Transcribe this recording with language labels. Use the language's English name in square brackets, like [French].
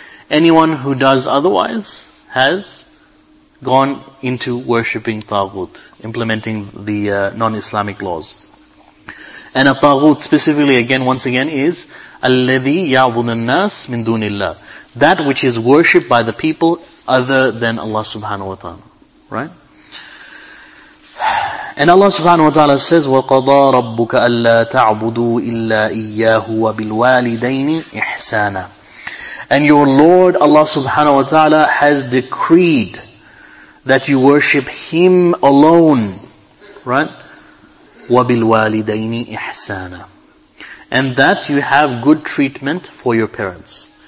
[English] Anyone who does otherwise has gone into worshipping taghut, implementing the non-Islamic laws. And a taghut specifically, once again, is [Arabic] الَّذِي يَعْبُدُ النَّاسِ مِن دُونِ اللَّهِ, [English] that which is worshipped by the people other than Allah subhanahu wa ta'ala. Right? And Allah subhanahu wa ta'ala says, [Arabic] وَقَضَى رَبُّكَ أَلَّا تَعْبُدُوا إِلَّا إِيَّاهُ وَبِالْوَالِدَيْنِ إِحْسَانًا. [English] And your Lord, Allah subhanahu wa ta'ala, has decreed that you worship Him alone. Right? [Arabic] وَبِالْوَالِدَيْنِ إِحْسَانًا. [English] And that you have good treatment for your parents.